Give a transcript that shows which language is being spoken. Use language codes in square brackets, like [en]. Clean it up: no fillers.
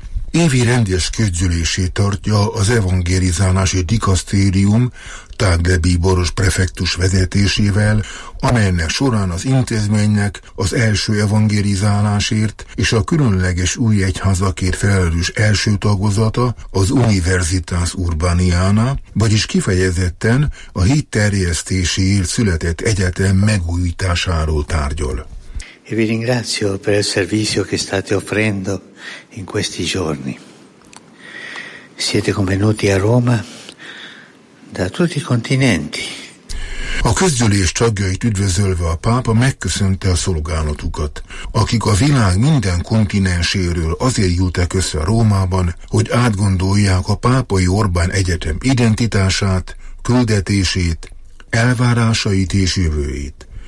[hu] Évi rendes közgyűlését tartja az evangelizálási dikasztérium tágdebíboros prefektus vezetésével, amelynek során az intézménynek az első evangelizálásért és a különleges új egyházakért felelős első tagozata az Universitas Urbaniana, vagyis kifejezetten a hit terjesztéséért született egyetem megújításáról tárgyol. [it] E vi ringrazio per il servizio che state offrendo in questi giorni. Siete convenuti a Roma da tutti i continenti. [hu] A közgyűlés tagjait üdvözölve a pápa megköszönte a szolgálatukat, akik a világ minden kontinenséről azért jutak össze Rómában, hogy átgondolják a pápai Orbán Egyetem identitását, küldetését, elvárásait és jövőjét.